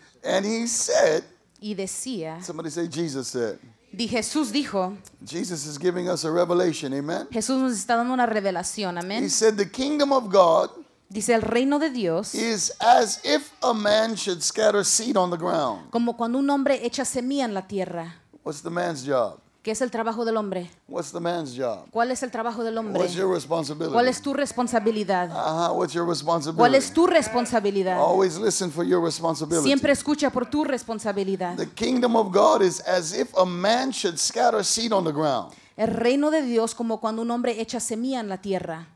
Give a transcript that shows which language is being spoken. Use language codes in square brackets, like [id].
[en] And he said, [es] y decía, [en] somebody say Jesus said. [es] Di Jesús dijo, [en] Jesus is giving us a revelation, amen? [es] Jesús nos está dando una revelación, amen? [en] He said, the kingdom of God, [es] dice, el reino de Dios, [en] is as if a man should scatter seed on the ground. [es] Como cuando un hombre echa semilla en la tierra. [en] What's the man's job? [es] ¿Qué es el trabajo del hombre? [en] What's the man's job? [es] ¿Cuál es el trabajo del hombre? [en] What's your responsibility? [es] ¿Cuál es tu responsabilidad? [en] What's your responsibility? [es] ¿Cuál es tu responsabilidad? [en] Always listen for your responsibility. [es] Siempre escucha por tu responsabilidad. [en] The kingdom of God is as if a man should scatter seed on the ground. [es] El reino de Dios como cuando un hombre echa semilla en la tierra.